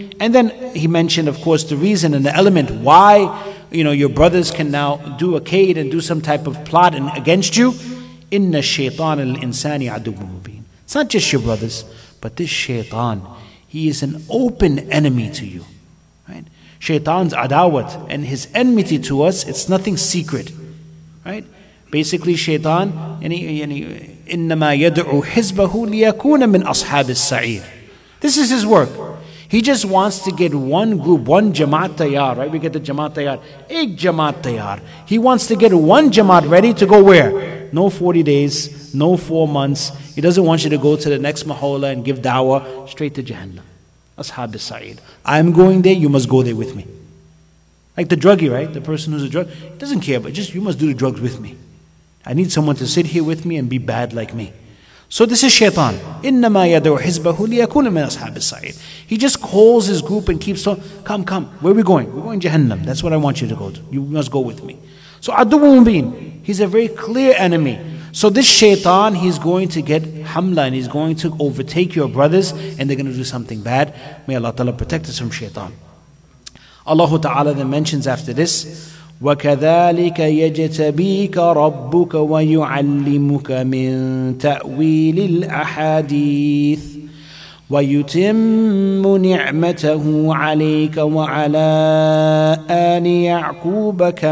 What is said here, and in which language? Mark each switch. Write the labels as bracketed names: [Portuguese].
[English] And then he mentioned, of course, the reason and the element why, you know, your brothers can now do a kaid and do some type of plot against you. [Arabic] Inna shaytan al-insani adubu mubin. [English] It's not just your brothers, but this shaytan, he is an open enemy to you. Right? Shaytan's adawat and his enmity to us, it's nothing secret. Right? Basically, shaytan, [Arabic] إِنَّمَا يَدْعُ حِزْبَهُ لِيَكُونَ مِنْ أَصْحَابِ السَّعِيرِ. [English] This is his work. He just wants to get one group, one jamaat tayar, right? We get the jamaat tayar. [Urdu] Ek jamaat tayar. [English] He wants to get one jamaat ready to go where? No 40 days, no 4 months. He doesn't want you to go to the next mahola and give dawah straight to Jahannam. [Arabic] أَصْحَابِ السَّعِيرِ. [English] I'm going there, you must go there with me. Like the druggie, right? The person who's a drug, doesn't care, but just you must do the drugs with me. I need someone to sit here with me and be bad like me. So this is shaitan. [Arabic] إِنَّمَا يَدْعُ حِزْبَهُ لِيَكُونَ مِنْ أَصْحَابِ السَّعِيرِ. [English] He just calls his group and keeps on, come, come, where are we going? We're going to Jahannam. That's what I want you to go to. You must go with me. So عَدُوُّ مُبِين, he's a very clear enemy. So this shaitan, he's going to get hamla and he's going to overtake your brothers and they're going to do something bad. May Allah Ta'ala protect us from shaitan. Allah Ta'ala then mentions after this, [Arabic] وَكَذَٰلِكَ يَجْتَبِيكَ رَبُّكَ وَيُعَلِّمُكَ مِنْ تَأْوِيلِ الْأَحَادِيثِ وَيُتِمُّ نِعْمَتَهُ عَلَيْكَ وَعَلَىٰ آلِ يَعْقُوبَ